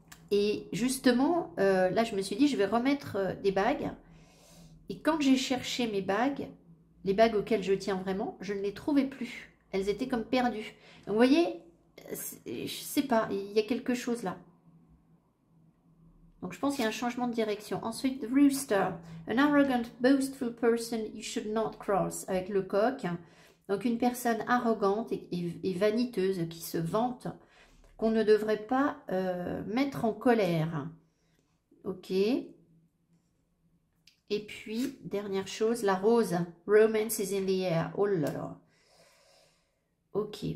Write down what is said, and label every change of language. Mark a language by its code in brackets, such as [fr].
[fr] Et justement, là, je me suis dit, je vais remettre des bagues. Et quand j'ai cherché mes bagues, les bagues auxquelles je tiens vraiment, je ne les trouvais plus. Elles étaient comme perdues. Donc, vous voyez, je ne sais pas, il y a quelque chose là. Donc, je pense qu'il y a un changement de direction. Ensuite, [en] the rooster. An arrogant, boastful person you should not cross. [fr] Avec le coq. Donc, une personne arrogante et vaniteuse qui se vante qu'on ne devrait pas mettre en colère. Ok. Et puis, dernière chose, la rose. [en] Romance is in the air. [fr] Oh là là. Ok.